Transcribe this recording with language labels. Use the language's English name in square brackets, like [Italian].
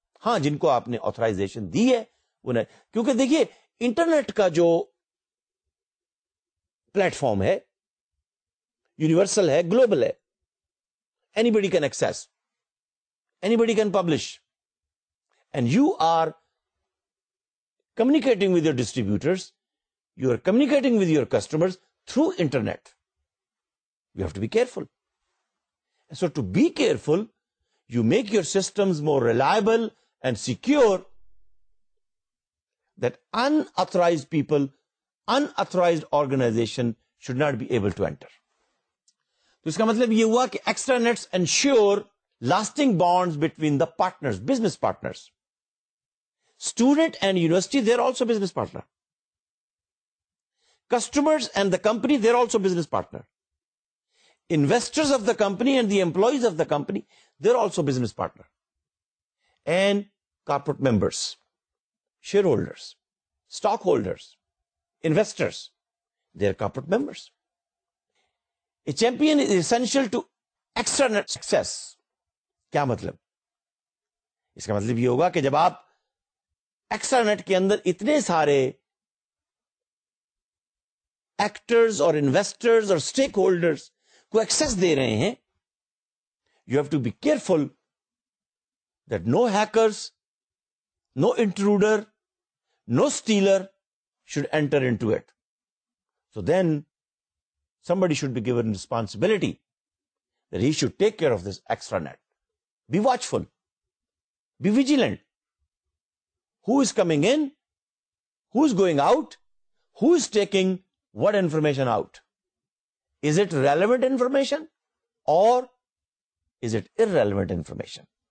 [Urdu] ہاں جن کو آپ نے authorization دی ہے انہیں, کیونکہ دیکھیے انٹرنیٹ کا جو پلیٹفارم ہے یونیورسل ہے, گلوبل ہے, [English] Anybody can access, anybody can publish, and you are communicating with your distributors, you are communicating with your customer through internet. You have to be careful. So to be careful you make your systems more reliable and secure that unauthorized people, unauthorized organization should not be able to enter. [Urdu] To iska matlab ye hua ki [English] extranets ensure lasting bonds between the partners, business partners. Student and university, they're also business partner. Customers and the company, they're also business partner. Investors of the company and the employees of the company, they're also business partner. And corporate members, shareholders, stockholders, investors, their corporate members. A champion is essential to external success. [Urdu] کیا مطلب؟ اس کا مطلب یہ ہوگا کہ جب آپ ایکسٹرنیٹ کے اندر اتنے سارے ایکٹرز اور انویسٹرز اور اسٹیک ہولڈرس کو ایکسس دے رہے ہیں, [English] You have to be careful that no hackers, no intruder, no stealer should enter into it. So then somebody should be given responsibility that he should take care of this extranet. Be watchful, be vigilant, who is coming in, who is going out, who is taking what information out, is it relevant information or is it irrelevant information.